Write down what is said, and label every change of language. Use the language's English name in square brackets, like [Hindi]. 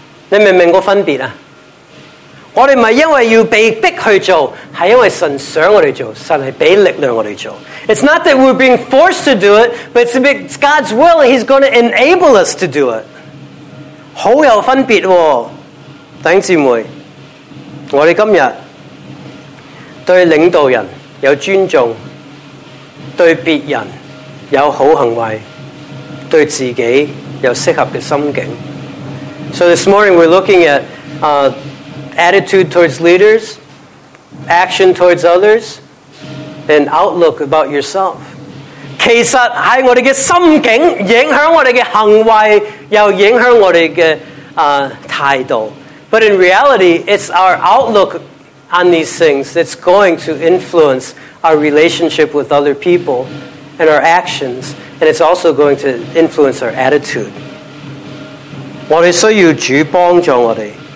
[Chinese] 你明白那个分别吗？我们不是因为要被逼去做，是因为神想我们做，神是给力量我们做。 [English] It's not that we're being forced to do it, but it's God's will, and He's going to enable us to do it. [Chinese] 好有分别、哦、弟兄姊妹，我们今天对领导人有尊重，对别人有好行为，对自己有适合的心境。 [English] So this morning we're looking at attitude towards leaders, action towards others, and outlook about yourself. [Chinese] 其实是我们的心境影响我们的行为，又影响我们的态度。 [English] But in reality, it's our outlook on these things that's going to influence our relationship with other people and our actions, and it's also going to influence our attitude. [Chinese] 我们需要主帮助我们。